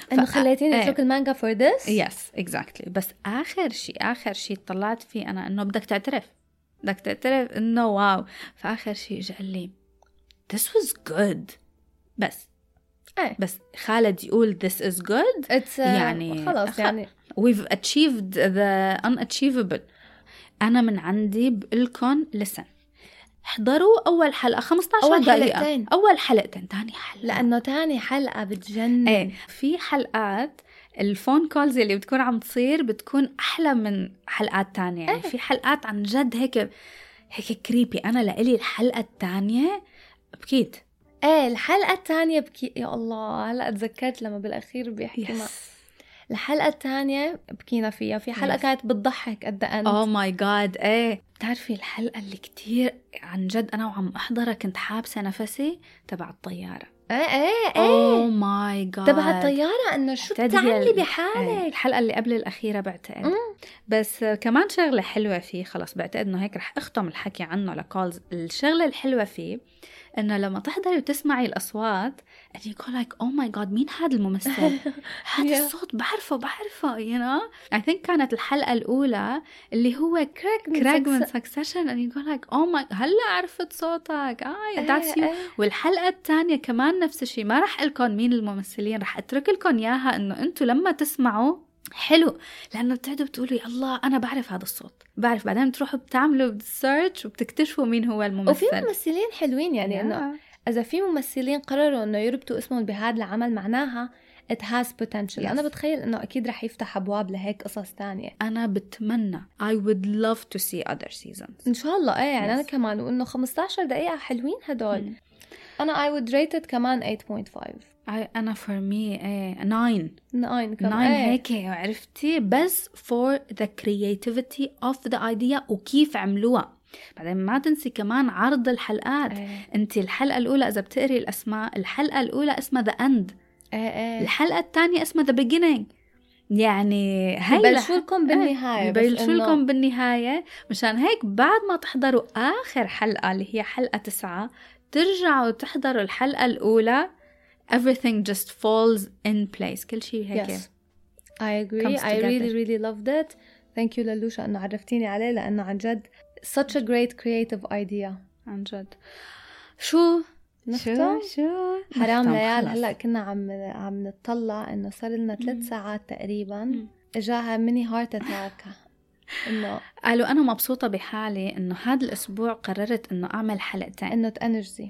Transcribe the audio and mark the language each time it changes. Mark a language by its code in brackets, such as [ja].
[ar] أنه خليتيني أترك المانجا [en] for this. Yes exactly. [ar] بس آخر شيء طلعت فيه أنا أنه بدك تعترف أنه واو. فآخر شيء قال لي [en] this was good. [ar] بس أيه. بس خالد يقول [en] this is good [ar] يعني خلاص يعني [en] we've achieved the unachievable. [ar] أنا من عندي بقلكن listen احضروا أول حلقة 15 دقيقة أول حلقتين تاني حلقة لأنه تاني حلقة بتجنن ايه. في حلقات الفون كولز اللي بتكون عم تصير بتكون أحلى من حلقات تانية ايه. في حلقات عن جد هيك كريبي. أنا لقلي الحلقة التانية بكيت ايه الحلقة التانية بكيت. يا الله هلأ تذكرت لما بالأخير بيحكي [en] يس. [ar] الحلقة التانية بكينا فيها في حلقة yes. كانت بتضحك قد أنت [en] oh my god [ar] ايه بتعرفي الحلقة اللي كتير عن جد أنا وعم أحضرها كنت حابسة نفسي تبع الطيارة ايه [en] oh my god [ar] تبع الطيارة أنه شو بتعلي بحالك ايه. الحلقة اللي قبل الأخيرة بعتقد بس كمان شغلة حلوة فيه خلاص بعتقد أنه هيك رح أختم الحكي عنه لكولز. الشغلة الحلوة فيه أنه لما تحضري وتسمعي الأصوات [en] and you go like oh my god [ar] مين هذا الممثل هذا [en] yeah. [ar] الصوت بعرفه [en] you know I think [ar] كانت الحلقة الأولى اللي هو كريك من Succession [en] and you go like oh my [ar] هلأ عرفت صوتك [en] that's you. [ar] والحلقة الثانية كمان نفس الشيء ما رح ألكن مين الممثلين رح أترك لكم ياها أنه أنتوا لما تسمعوا حلو لأنه بتعدوا بتقولوا يا الله أنا بعرف هذا الصوت بعرف بعدين بتروحوا بتعملوا بتسيرتش وبتكتشفوا مين هو الممثل وفي ممثلين حلوين يعني [en] yeah. [ar] أنه إذا في ممثلين قرروا أنه يربطوا اسمهم بهذا العمل معناها [en] it has potential yes. [ar] أنا بتخيل أنه أكيد رح يفتح أبواب لهيك قصص تانية أنا بتمنى [en] I would love to see other seasons [ar] إن شاء الله إيه يعني yes. أنا كمان وأنه 15 دقيقة حلوين هدول أنا [en] I would rate it [ar] كمان 8.5 أنا [en] for me nine [ar] هيك عرفتي بس [en] for the creativity of the idea [ar] وكيف عملوها بعدين ما تنسي كمان عرض الحلقات ايه. انت الحلقة الأولى إذا بتقري الأسماء الحلقة الأولى اسمها the end ايه. الحلقة الثانية اسمها the beginning يعني هاي يبلشولكم بالنهاية يبلشولكم إنه... بالنهاية مشان هيك بعد ما تحضروا آخر حلقة اللي هي حلقة 9 ترجعوا تحضروا الحلقة الأولى [en] everything just falls in place [ar] كل شيء هيك [en] yes. I agree I really really loved it thank you [ar] للوشا انه عرفتيني عليه لانه عن جد [en] such a great creative idea [ar] عن جد شو شو حرام ليال هلا كنا عم نتطلع انه صار لنا 3 ساعات تقريبا اجاها ميني هارت اتاك إنه قالوا أنا مبسوطة بحالي إنه هذا الأسبوع قررت إنه أعمل حلقتين إنه تأنجزي